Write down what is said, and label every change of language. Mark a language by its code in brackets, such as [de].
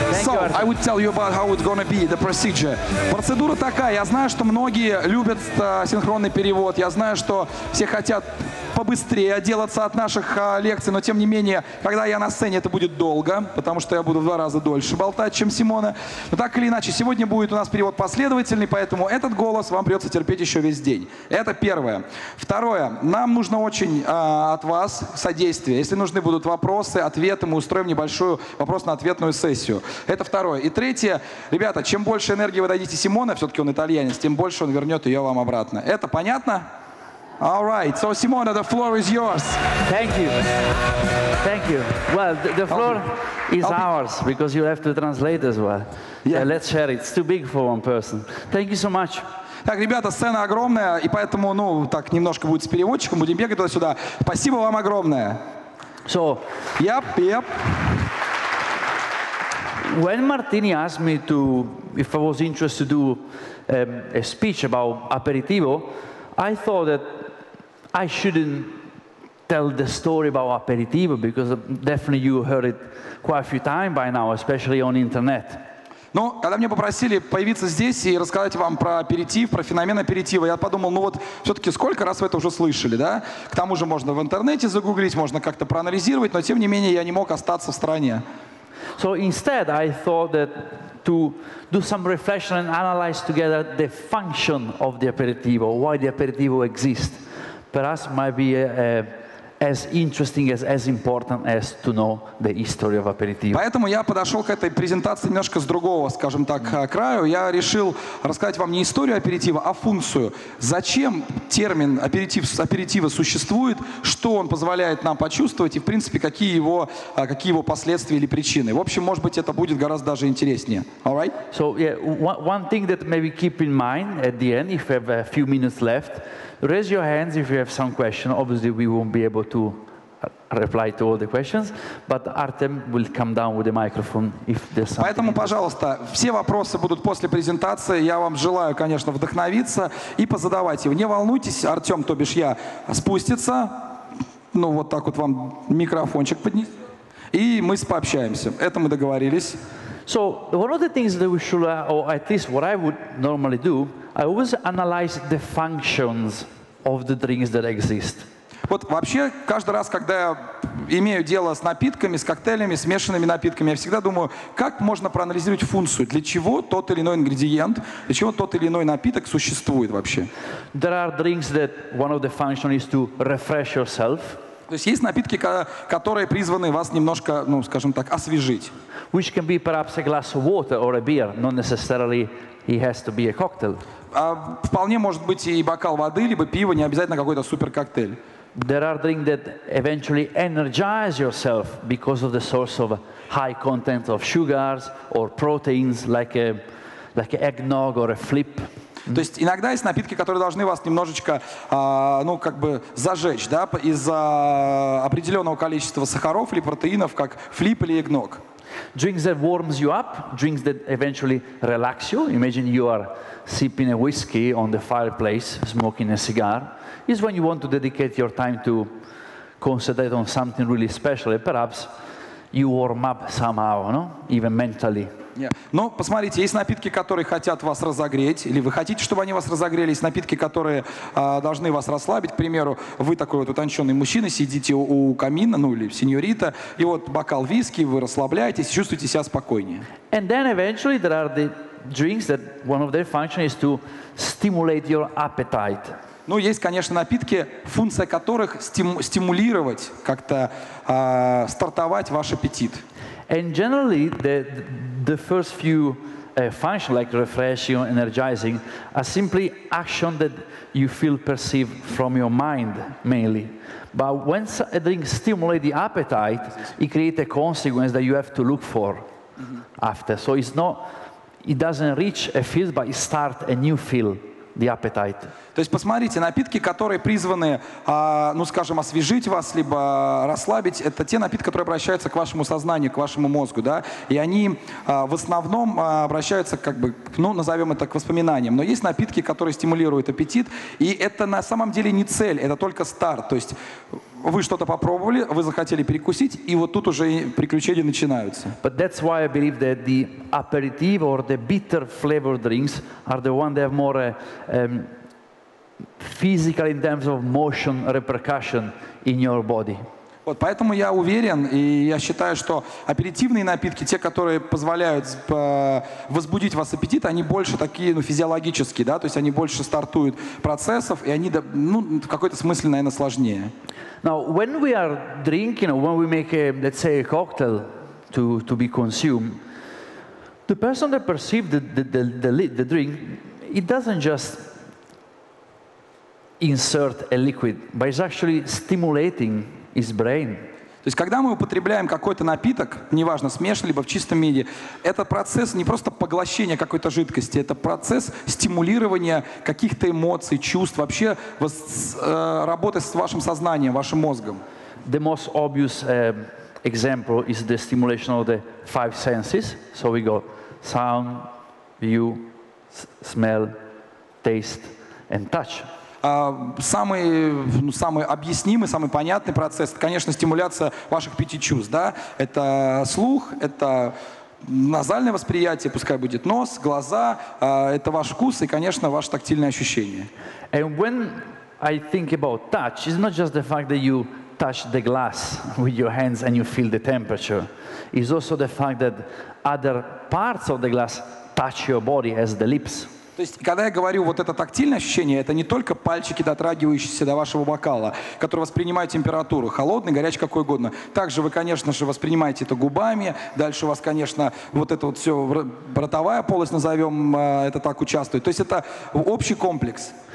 [en] So, I would tell you about how it's gonna be, the procedure. [ru] Процедура такая. Я знаю, что многие любят синхронный перевод. Я знаю, что все хотят побыстрее отделаться от наших лекций. Но, тем не менее, когда я на сцене, это будет долго, потому что я буду в два раза дольше болтать, чем Симона. Но так или иначе, сегодня будет у нас перевод последовательный, поэтому этот голос вам придется терпеть еще весь день. Это первое. Второе. Нам нужно очень от вас содействие. Если нужны будут вопросы, ответы, мы устроим небольшую вопросно-ответную сессию. Это второе. И третье. Ребята, чем больше энергии вы дадите Симона, все-таки он итальянец, тем больше он вернет ее вам обратно. Это понятно? [en] All right, so Simona, the floor is yours. Thank you. Thank you. Well, the floor is ours because you have to translate as well. Yeah. So let's share it. It's too big for one person. Thank you so much. [ru] Так, ребята, сцена огромная, и поэтому, ну, так немножко будет с переводчиком, будем бегать туда-сюда. Спасибо вам огромное. [en] So, yep. When Martini asked me to, if I was interested to do a speech about aperitivo, I thought that I shouldn't tell the story about aperitivo because definitely you heard it quite a few times by now, especially on internet. [ru] Ну, когда меня попросили появиться здесь и рассказать вам про аперитив, про феномен аперитива, я подумал, ну вот все-таки сколько раз вы это уже слышали, да? К тому же можно в интернете загуглить, можно как-то проанализировать, но тем не менее я не мог остаться в стране. [en] So instead, I thought that to do some reflection and analyze together the function of the aperitivo, why the aperitivo exists, perhaps might be as interesting, as important as to know the history of aperitivo. [ru] Поэтому я подошел к этой презентации немножко с другого, скажем так, краю. Я решил рассказать вам не историю аперитива, а функцию. Зачем термин аперитива существует, что он позволяет нам почувствовать и, в принципе, какие его последствия или причины. В общем, может быть, это будет гораздо даже интереснее. [en] All right? So, yeah, one thing that maybe keep in mind at the end, if you have a few minutes left, raise your hands if you have some questions. Obviously, we won't be able to reply to all the questions, but Artem will come down with the microphone if there's something. [ru] Поэтому, пожалуйста, все вопросы будут после презентации. Я вам желаю, конечно, вдохновиться и позадавать его. Не волнуйтесь, Артем, то бишь я, спустится. Ну, вот так вот вам микрофончик поднес. И мы пообщаемся. Это мы договорились. [en] So, one of the things that we should, or at least what I would normally do, I always analyze the functions of the drinks that exist. [ru] Вот вообще, каждый раз, когда я имею дело с напитками, с коктейлями, смешанными напитками, я всегда думаю, как можно проанализировать функцию, для чего тот или иной ингредиент, для чего тот или иной напиток существует вообще. [en] There are drinks that one of the functions is to refresh yourself. [ru] То есть есть напитки, которые призваны вас немножко, ну, скажем так, освежить. [en] Which can be perhaps a glass of water or a beer, not necessarily it has to be a cocktail. [ru] Вполне может быть и бокал воды, либо пиво, не обязательно какой-то суперкоктейль. [en] There are drinks that eventually energize yourself because of the source of high content of sugars or proteins, like a eggnog or a flip. [ru] Mm-hmm. То есть иногда есть напитки, которые должны вас немножечко, ну, как бы зажечь, да, из-за определенного количества сахаров или протеинов, как флип или эгнок. [en] Drinks that warms you up, drinks that eventually relax you. Imagine you are sipping a whiskey on the fireplace, smoking a cigar. It's when you want to dedicate your time to concentrate on something really special, perhaps you warm up somehow, no? Even mentally. Yeah. [ru] Но посмотрите, есть напитки, которые хотят вас разогреть, или вы хотите, чтобы они вас разогрели, есть напитки, которые должны вас расслабить. К примеру, вы такой вот утонченный мужчина, сидите у камина, ну или сеньорита, и вот бокал виски, вы расслабляетесь, чувствуете себя спокойнее. [en] And then eventually there are the drinks that one of their functions is to stimulate your appetite. [ru] Ну, есть, конечно, напитки, функция которых стимулировать, как-то стартовать ваш аппетит. [en] And generally, the first few functions, like refreshing or energizing, are simply action that you feel perceived from your mind, mainly. But when a drink stimulates the appetite, it creates a consequence that you have to look for after. So it's not, it doesn't reach a feel, but it starts a new feel. The appetite. [ru] То есть посмотрите, напитки, которые призваны, ну скажем, освежить вас, либо расслабить, это те напитки, которые обращаются к вашему сознанию, к вашему мозгу, да, и они в основном обращаются, как бы, ну назовем это, к воспоминаниям, но есть напитки, которые стимулируют аппетит, и это на самом деле не цель, это только старт, то есть вы что-то попробовали, вы захотели перекусить, и вот тут уже приключения начинаются. [en] But that's why I believe that the aperitif or the bitter flavored drinks are the one that have more physical in terms of motion repercussion in your body. [ru] Вот поэтому я уверен, и я считаю, что аперитивные напитки, те, которые позволяют возбудить вас аппетит, они больше такие, ну, физиологические, да, то есть они больше стартуют процессов, и они, ну, в какой-то смысле, наверное, сложнее. [en] Now, when we are drinking, when we make a, let's say, a cocktail to be consumed, the person that perceives the drink, it doesn't just insert a liquid, but it's actually stimulating his brain. [ru] То есть, когда мы употребляем какой-то напиток, неважно, смешанный либо в чистом виде, это процесс не просто поглощения какой-то жидкости, это процесс стимулирования каких-то эмоций, чувств, вообще работы с вашим сознанием, вашим мозгом. [en] The most obvious example is the stimulation of the five senses. So we go sound, view, smell, taste, and touch. [ru] Самый объяснимый, самый понятный процесс, это, конечно, стимуляция ваших пяти чувств, да? Это слух, это назальное восприятие, пускай будет нос, глаза, это ваш вкус и, конечно, ваше тактильное ощущение. [en] And when I think about touch, it's not just the fact that you touch the glass with your hands and you feel the temperature. It's also the fact that other parts of the glass touch your body, as the lips. [ru] То есть, когда я говорю вот это тактильное ощущение, это не только пальчики, дотрагивающиеся до вашего бокала, которые воспринимают температуру, холодный, горячий, какой угодно. Также вы, конечно же, воспринимаете это губами, дальше у вас, конечно, вот это вот все, ротовая полость, назовем это так, участвует. То есть, это общий комплекс.